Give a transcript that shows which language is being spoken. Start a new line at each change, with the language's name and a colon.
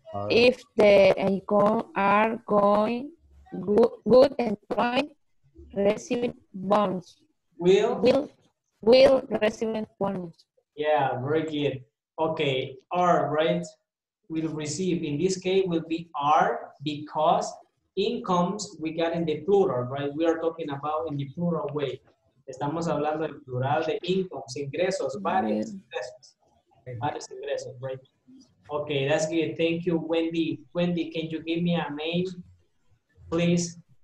English: If the income are going good employed, receive bonus. Will receive bonus. Yeah, very good. Okay, are, right? Will receive, in this case, will be are, because incomes we got in the plural, right? We are talking about in the plural way.
Spanish: Estamos hablando en plural de incomes, ingresos, varios ingresos. Varios ingresos,
English: right? Okay, that's good. Thank you, Wendy. Wendy, can you give me a name, please?